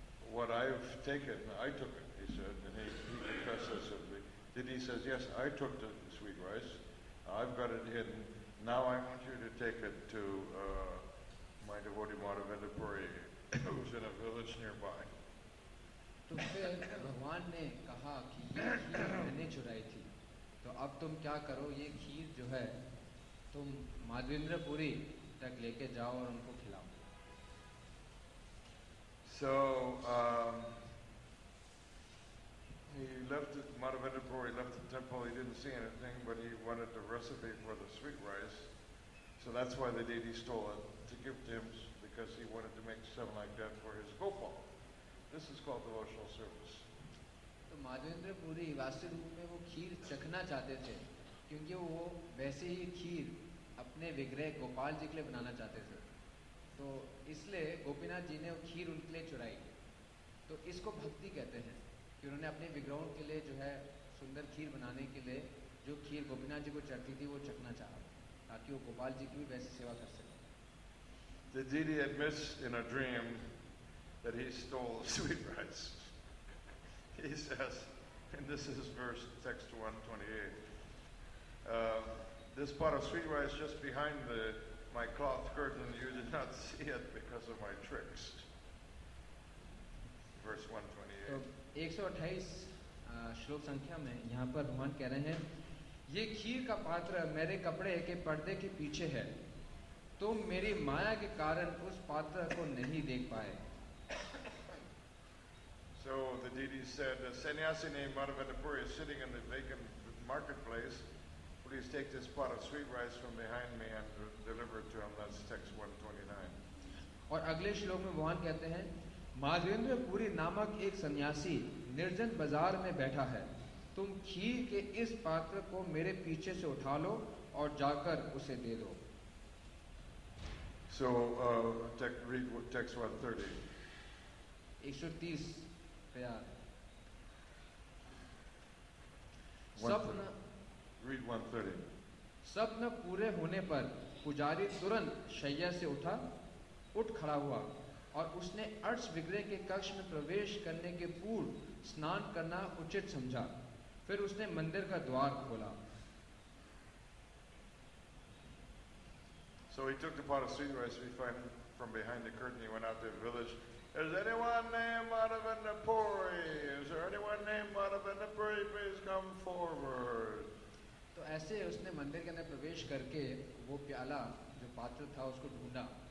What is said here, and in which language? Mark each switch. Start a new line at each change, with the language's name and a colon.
English: What I've taken, I took it, he said, and he confesses it. Then he says, yes, I took the sweet rice. I've got it hidden. Now I want you to take it to my devotee Madhavendra Puri, who's in a village nearby.
Hindi: तो फिर भगवान ने कहा कि ये खीर मैंने चुराई थी, तो अब तुम क्या करो, ये खीर जो है तुम माधवेंद्र पुरी तक लेके जाओ और उनको खिलाओ.
English: So he left it, Madhavendra Puri left the temple. He didn't see anything, but he wanted the recipe for the sweet rice. So that's why the deity stole it to give to him, because he wanted to make something like that for his gopal. This is called devotional service.
Hindi: तो माधवेंद्र पुरी वास्तविक रूप में वो खीर चखना चाहते थे, क्योंकि वो वैसे ही खीर अपने विग्रह गोपाल जी के लिए बनाना चाहते थे. तो इसलिए गोपीनाथ जी ने खीर उनके लिए चुराई. तो इसको भक्ति कहते हैं कि उन्होंने अपने विग्रहों के लिए जो है सुंदर खीर बनाने के लिए जो खीर गोपीनाथ जी को चढ़ती थी वो चखना चाहा, ताकि वो गोपाल जी की भी वैसी सेवा कर सके.
English: The deity admits in a dream that he stole sweet rice. He says, and this is verse text 128, this pot of sweet rice just behind the my cloth curtain, you did not see it because of my tricks. Verse 128.
Hindi: श्लोक संख्या में यहाँ पर भगवान कह रहे हैं, ये खीर का पात्र मेरे कपड़े के पर्दे के पीछे है, तुम मेरी माया के कारण उस पात्र को नहीं देख पाए.
English: So the deity said, a sannyasi named Madhavendra Puri is sitting in the vacant marketplace. Please take this pot of sweet rice from behind me and deliver it to him. That's text 129.
Hindi: और अगले श्लोक में भगवान कहते हैं, माधवेंद्र पुरी नामक एक सन्यासी निर्जन बाजार में बैठा है, तुम खीर के इस पात्र को मेरे पीछे से उठा लो और जाकर उसे दे दो.
English: So read text 130.
Hindi: 130 pe aa. Sapna.
English: Read 130.
Hindi: Sapna pure hone par pujari turant shayya se utha, uth khada hua. और उसने अर्च विग्रह के कक्ष में प्रवेश करने के पूर्व स्नान करना उचित समझा, फिर उसने मंदिर का द्वार खोला.
English: So he took the pot of sweet rice we find from behind the curtain. He went out to the village. Is anyone named Madhavendapuri? Is there anyone named Madhavendapuri? Please come forward.
Hindi: तो ऐसे उसने मंदिर के अंदर प्रवेश करके वो प्याला जो पात्र था उसको ढूंढा.